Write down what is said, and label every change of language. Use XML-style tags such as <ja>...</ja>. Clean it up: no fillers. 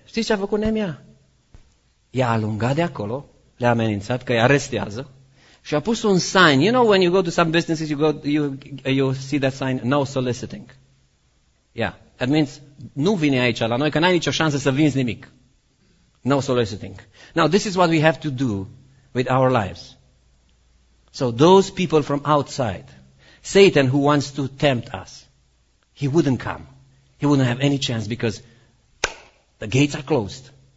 <ro>Știți ce a făcut Nehemia? I-a alungat de acolo, le-a amenințat că îi arestează și a pus un sign.</ro> <en>You know when you go to some businesses, you see that sign, no soliciting. Yeah, that means</en> <ro>nu vine aici la noi, că n-ai nicio șansă să vinzi nimic.</ro> <en>No soliciting. Now this is what we have to do with our lives. So those people from outside, Satan who wants to tempt us, he wouldn't come. He wouldn't have any chance because the gates are closed.</en>